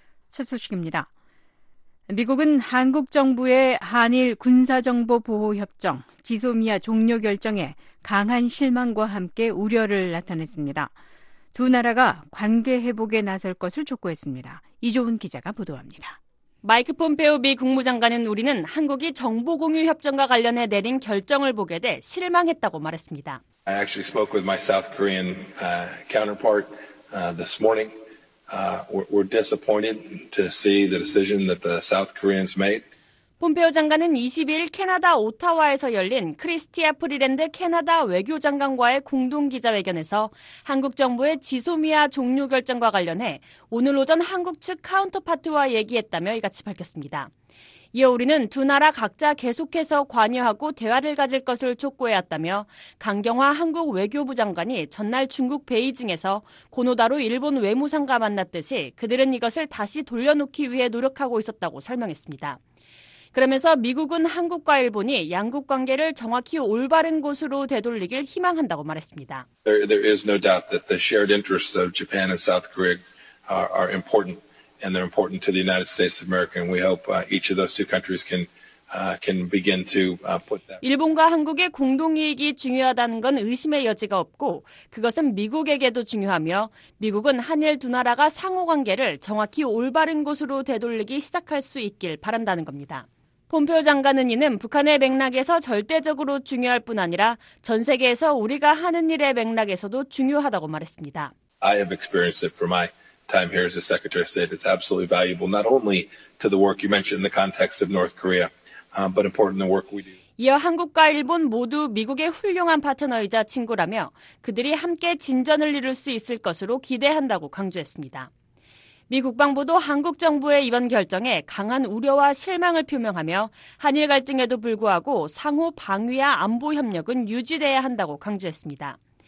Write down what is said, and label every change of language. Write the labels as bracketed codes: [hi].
[ko] 첫 소식입니다. 미국은 한국 정부의 한일 군사정보보호협정 지소미아 종료 결정에 강한 실망과 함께 우려를 나타냈습니다. 두 나라가 관계 회복에 나설 것을 촉구했습니다. 이종훈 기자가 보도합니다. 마이크 폼페오 미 국무장관은 우리는 한국이 정보공유협정과 관련해 내린 결정을 보게 돼 실망했다고 말했습니다. [en] I actually spoke with my South Korean counterpart this morning. We're disappointed to see the decision that the South Koreans made. [ko] 폼페오 장관은 22일 캐나다 오타와에서 열린 크리스티아 프리랜드 캐나다 외교장관과의 공동기자회견에서 한국 정부의 지소미아 종료 결정과 관련해 오늘 오전 한국 측 카운터파트와 얘기했다며 이같이 밝혔습니다. 이어 우리는 두 나라 각자 계속해서 관여하고 대화를 가질 것을 촉구해왔다며 강경화 한국 외교부 장관이 전날 중국 베이징에서 고노다로 일본 외무상과 만났듯이 그들은 이것을 다시 돌려놓기 위해 노력하고 있었다고 설명했습니다. 그러면서 미국은 한국과 일본이 양국 관계를 정확히 올바른 곳으로 되돌리길 희망한다고 말했습니다. [en] There is no doubt that the shared interests of Japan and South Korea are important. And they're important to the United States of America. And we hope each of those two countries can begin to put that. [ko] 일본과 한국의 공동 이익이 중요하다는 건 의심의 여지가 없고 그것은 미국에게도 중요하며 미국은 한일 두 나라가 상호 관계를 정확히 올바른 곳으로 되돌리기 시작할 수 있길 바란다는 겁니다. 폼페오 장관은 이는 북한의 맥락에서 절대적으로 중요할 뿐 아니라 전 세계에서 우리가 하는 일의 맥락에서도 중요하다고 말했습니다. [en] I have experienced it for my time here as the Secretary of State. It's absolutely valuable not only to the work you mentioned in the context of North Korea, but important the work we do. [ko] 이어 한국과 일본 모두 미국의 훌륭한 파트너이자 친구라며 그들이 함께 진전을 이룰 수 있을 것으로 기대한다고 강조했습니다. 미 국방부도 한국 정부의 이번 결정에 강한 우려와 실망을 표명하며 한일 갈등에도 불구하고 상호 방위와 안보 협력은 유지돼야 한다고 강조했습니다.